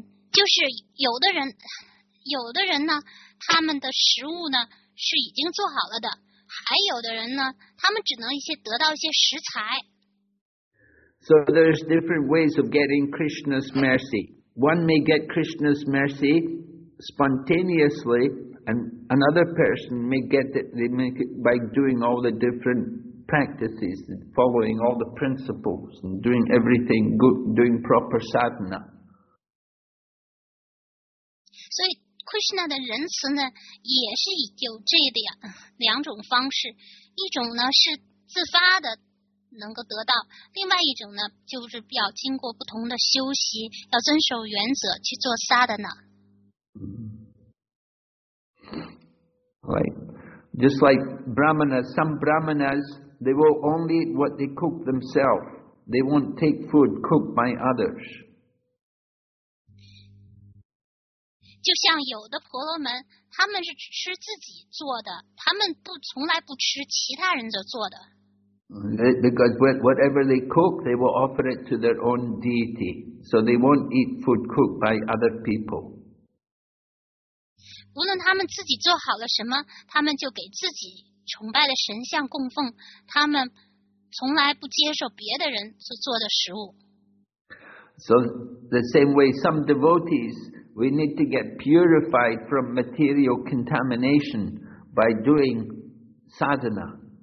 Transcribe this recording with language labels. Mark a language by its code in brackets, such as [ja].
[zh] 就是有的人呢，他们的食物呢是已经做好了的。还有的人呢，他们只能得到一些食材。 [en] So there's different ways of getting Krishna's mercy. One may get Krishna's mercy spontaneously, and another person may get it, they make it by doing all the different practices, following all the principles, and doing everything good, doing proper sadhana. [zh] So Krishna 的仁慈呢，也是有这两种方式，一种呢是自发的。能够得到，另外一种呢，就是要经过不同的修习，要遵守原则去做萨德纳。 [en] Right, just like brahmanas, some brahmanas they will only eat what they cook themselves. They won't take food cooked by others. [zh] 就像有的婆罗门，他们是吃自己做的，他们从来不吃其他人的做的。 [en] Because whatever they cook, they will offer it to their own deity. So they won't eat food cooked by other people. [zh] 无论他们自己做好了什么，他们就给自己崇拜的神像供奉，他们从来不接受别的人所做的食物。 [en] So the same way some devotees, we need to get purified from material contamination by doing sadhana.